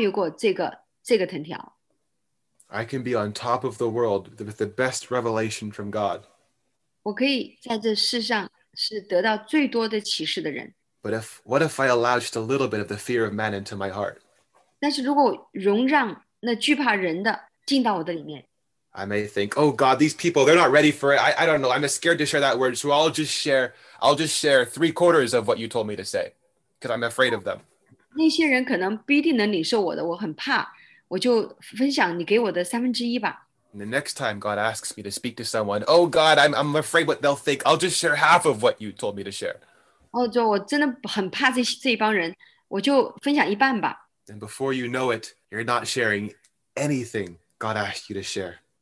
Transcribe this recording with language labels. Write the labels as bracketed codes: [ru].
[zh] 没有一个人能够跨越过这个藤条。 [en] I can be on top of the world with the best revelation from God. [zh] 我可以在这世上是得到最多的启示的人。 [en] But what if I allow just a little bit of the fear of man into my heart? [zh] 但是如果容让那惧怕人的进到我的里面。 [en] I may think, oh God, these people, they're not ready for it. I don't know, I'm scared to share that word, so I'll just share three quarters of what you told me to say, because I'm afraid of them. [zh] 那些人可能不一定能领受我的,我很怕,我就分享你给我的三分之一吧。 [en] And the next time God asks me to speak to someone, oh God, I'm afraid what they'll think. I'll just share half of what you told me to share. [zh] Oh, 我真的很怕这帮人,我就分享一半吧。 [en] And before you know it, you're not sharing anything God asked you to share.